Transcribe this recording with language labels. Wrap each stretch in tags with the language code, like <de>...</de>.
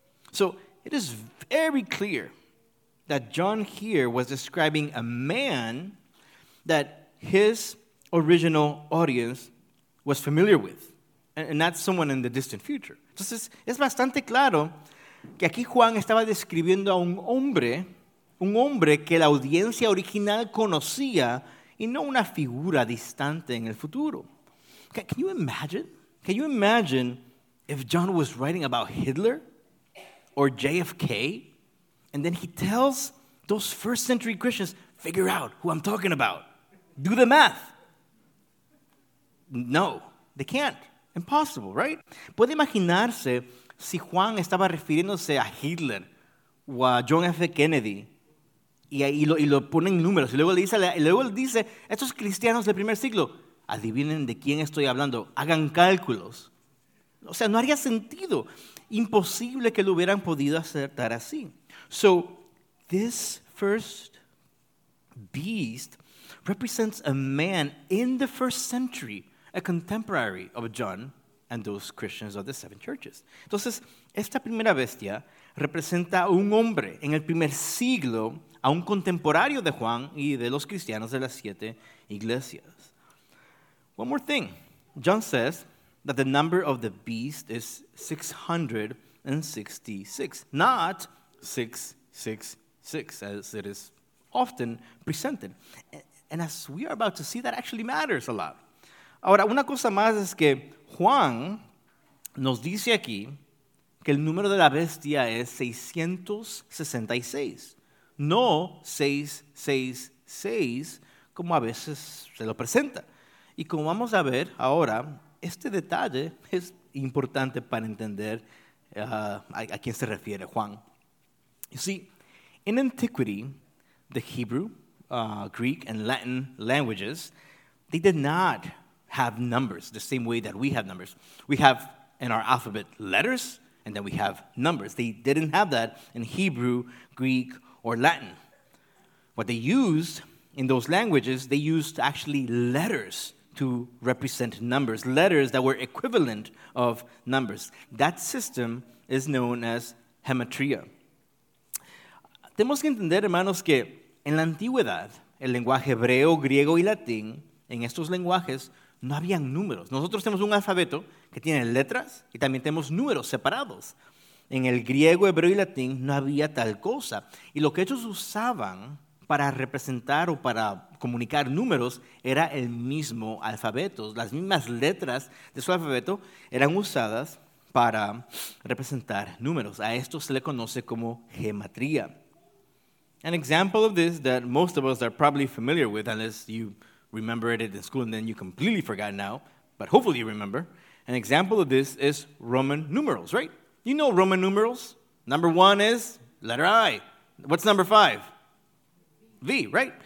<en>So, it is very clear that John here was describing a man that his original audience was familiar with, and not someone in the distant future.</en> <es>Entonces, es bastante claro que aquí Juan estaba describiendo a un hombre que la audiencia original conocía, y no una figura distante en el futuro.</es> <en>Can you imagine? Can you imagine if John was writing about Hitler or JFK, and then he tells those first century Christians, figure out who I'm talking about. Do the math. No, they can't. Impossible, right?</en> <es>¿Puede imaginarse si Juan estaba refiriéndose a Hitler o a John F. Kennedy y lo ponen números? Y luego él dice, estos cristianos del primer siglo, adivinen de quién estoy hablando, hagan cálculos. O sea, no haría sentido. Imposible que lo hubieran podido acertar así.</es> <en>So, this first beast represents a man in the first century, a contemporary of John and those Christians of the seven churches.</en> <es>Entonces, esta primera bestia representa a un hombre en el primer siglo, a un contemporáneo de Juan y de los cristianos de las siete iglesias.</es> <en>One more thing. John says that the number of the beast is 666, not 666, as it is often presented. And as we are about to see, that actually matters a lot.</en> <es>Ahora, una cosa más es que Juan nos dice aquí que el número de la bestia es 666, no 666, como a veces se lo presenta. Y como vamos a ver ahora, este detalle es importante para entender a quién se refiere Juan.</es> <en>You see, in antiquity, the Hebrew, Greek, and Latin languages, they did not have numbers the same way that we have numbers. We have in our alphabet letters, and then we have numbers. They didn't have that in Hebrew, Greek, or Latin. What they used in those languages, they used actually letters to represent numbers, letters that were equivalent of numbers. That system is known as hemetria.</en> <es>Tenemos que entender, hermanos, que en la antigüedad, el lenguaje hebreo, griego y latín, en estos lenguajes, no habían números. Nosotros tenemos un alfabeto que tiene letras y también tenemos números separados. En el griego, hebreo y latín no había tal cosa. Y lo que ellos usaban para representar o para comunicar números era el mismo alfabeto. Las mismas letras de su alfabeto eran usadas para representar números. A esto se le conoce como gematría.</es> <en>An example of this that most of us are probably familiar with, unless you remember it in school and then you completely forgot now, but hopefully you remember. An example of this is Roman numerals, right? You know Roman numerals. Number one is letter I. What's number five? V, right?</en>